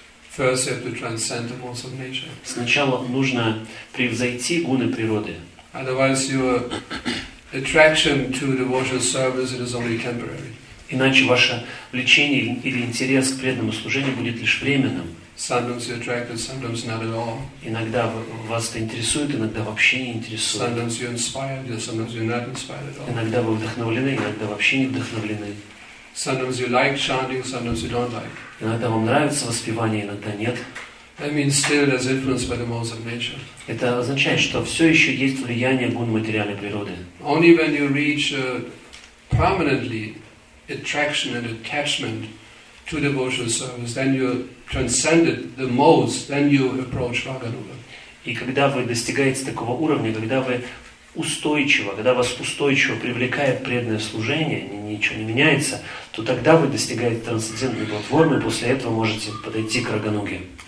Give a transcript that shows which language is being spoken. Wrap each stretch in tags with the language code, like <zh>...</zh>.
<en>First you have to transcend the modes of nature.</en> <ru>Сначала нужно превзойти гуны природы.</ru> <en>Otherwise your attraction to devotional service it is only temporary.</en> <ru>Иначе ваше влечение или интерес к преданному служению будет лишь временным.</ru> <en>Sometimes you're attracted, sometimes not at all.</en> <ru>Иногда вас это интересует, иногда вообще не интересует.</ru> <en>Sometimes you're inspired, sometimes you're not inspired at all.</en> <ru>Иногда вы вдохновлены, иногда вообще не вдохновлены.</ru> <en>Sometimes you like chanting, sometimes you don't like.</en> <ru>Иногда вам нравится воспевание, иногда нет.</ru> <en>That means still there's influence by the modes of nature.</en> <ru>Это означает, что все еще есть влияние гун материальной природы.</ru> <en>Only when you reach prominently attraction and attachment to devotional service, then you transcended the modes, then you approach Rāganuga.</en> <ru>И когда вы достигаете такого уровня, когда вы устойчиво, когда вас устойчиво привлекает преданное служение, ничего не меняется, то тогда вы достигаете трансцендентной платформы, и после этого можете подойти к Рагануге.</ru>